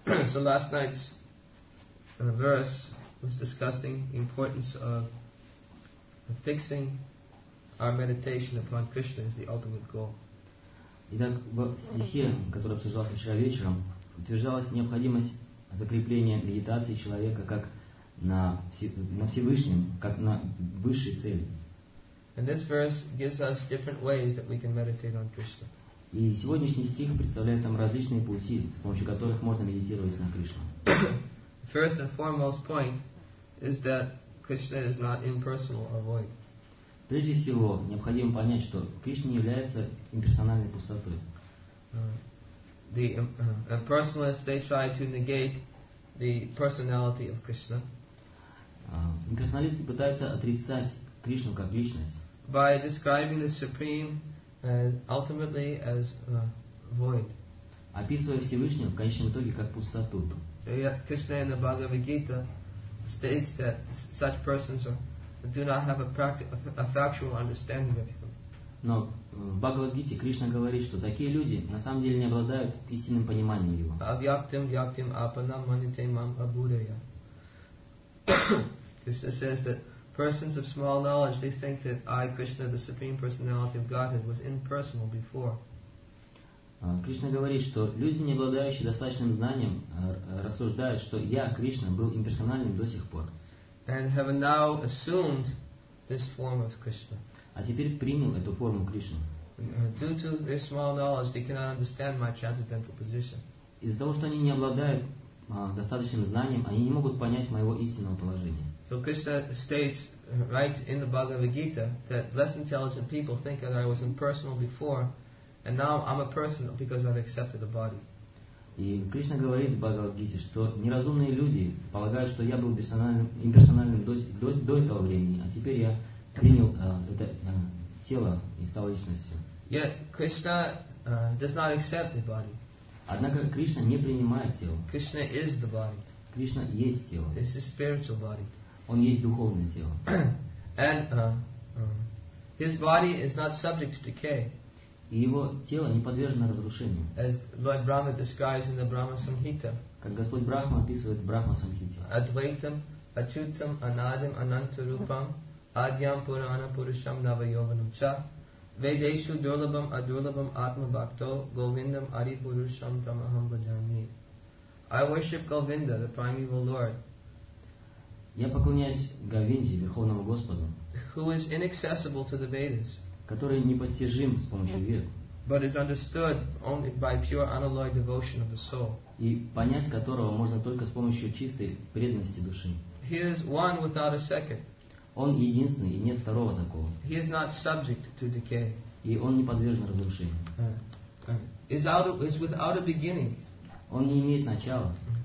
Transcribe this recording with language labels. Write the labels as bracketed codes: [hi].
[en] So last night's verse was discussing the importance of fixing our meditation upon Krishna as the ultimate goal. [ru] Итак, в стихе, который обсуждался вчера вечером, утверждалась необходимость закрепления медитации человека как на Всевышнем, как на высшей цели. [en] And this verse gives us different ways that we can meditate on Krishna. [ru] И сегодняшний стих представляет нам различные пути, с помощью которых можно медитировать на Кришну. [en] First and foremost point is that Krishna is not impersonal or void. [ru] Прежде всего, необходимо понять, что Кришна не является имперсональной пустотой. [en] The impersonalists, they try to negate the personality of Krishna. [ru] Имперсоналисты пытаются отрицать Кришну как личность. [en] By describing the Supreme ultimately as void. [ru] Описывая Всевышнего в конечном итоге как пустоту. [en] Krishna in the Bhagavad Gita states that such persons are do not have a factual understanding of him. [ru] Но в Бхагавад-гите Кришна говорит, что такие люди на самом деле не обладают истинным пониманием его. [sa] Avyaktim vyaktim apanam manite mam abhudaya. [en] Krishna says that persons of small knowledge, they think that I, Krishna, the Supreme Personality of Godhead, was impersonal before. [ru] Кришна говорит, что люди, не обладающие достаточным знанием, рассуждают, что я, Кришна, был имперсональным до сих пор. [en] And have now assumed this form of Krishna. [ru] А теперь принял эту форму Кришны. [en] Due to their small knowledge, they cannot understand my transcendental position. [ru] Из-за того, что они не обладают достаточным знанием, они не могут понять моего истинного положения. [en] So Krishna states right in the Bhagavad Gita that less intelligent people think that I was impersonal before, and now I'm a person because I've accepted a body. [ru] И Кришна говорит в Бхагавад-гите, что неразумные люди полагают, что я был имперсональным до этого времени, а теперь я принял это тело и стал личностью. [en] Yet Krishna does not accept the body. [ru] Однако Кришна не принимает тело. [en] Krishna is the body. [ru] Кришна есть тело. [en] It's a spiritual body. [ru] Он есть духовное тело. [en] And his body is not subject to decay. [ru] И его тело не подвержено разрушению. [en] As Lord Brahma describes in the Brahma Samhita. [ru] Как Господь Брахма описывает в Брахма Самхите. [sa] Адвайтам, ачутам, анадим, анантарупам, адьям, пурана, пурушам, навайованам ча. Ведешу дурлабам, адурлабам, атма бхакто, говиндам, арипурушам, тамахам баджами. [en] I worship Govinda, the primeval Lord. [ru] Я поклоняюсь Говинде, Верховному Господу. [en] Who is inaccessible to the Vedas. [ru] Который непостижим с помощью вед. [en] But is understood only by pure unalloyed devotion of the soul. [ru] И понять которого можно только с помощью чистой преданности души. [en] He is one without a second. [ru] Он единственный, и нет второго такого. [en] He is not subject to decay. [ru] И он не подвержен разрушению. [en] Is without a beginning. [ru] Он не имеет начала.